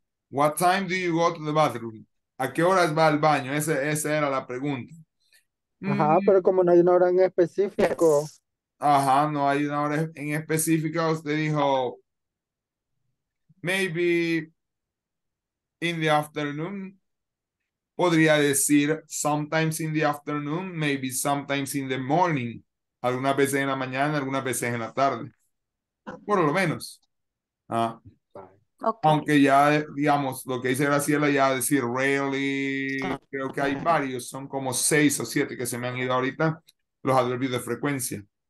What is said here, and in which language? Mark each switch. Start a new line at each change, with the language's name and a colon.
English: What time do you go to the bathroom?
Spanish: ¿A qué horas va al baño? Esa era la pregunta. Ajá, pero como no hay una hora en específico. Ajá, no hay una hora en específica. Usted dijo,
English: maybe in the afternoon.
Spanish: Podría decir,
English: sometimes in the afternoon, maybe sometimes in the morning.
Spanish: Algunas veces en la mañana, algunas veces en la tarde. Por lo menos. Ah.
English: Okay.
Spanish: Aunque ya, digamos, lo que dice Graciela, ya decir rarely, creo que hay varios, son como 6 o 7 que se me han ido ahorita, los adverbios de frecuencia.